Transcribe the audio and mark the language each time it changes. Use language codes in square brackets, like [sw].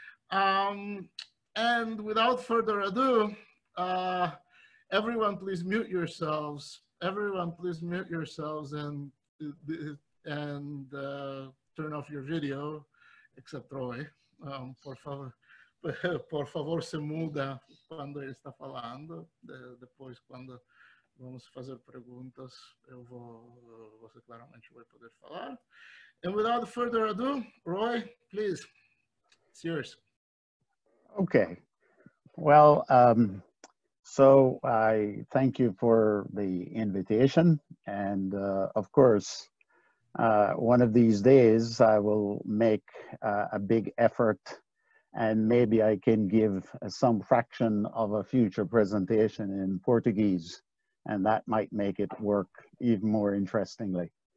[en] And without further ado, everyone please mute yourselves and turn off your video. [pt] Except Roy, por favor se muda quando ele está falando, depois quando vamos fazer perguntas, você claramente vai poder falar. [en] And without further ado, Roy, please, it's yours. Okay, well, I thank you for the invitation, and of course, one of these days, I will make a big effort and maybe I can give some fraction of a future presentation in Portuguese, and that might make it work even more interestingly.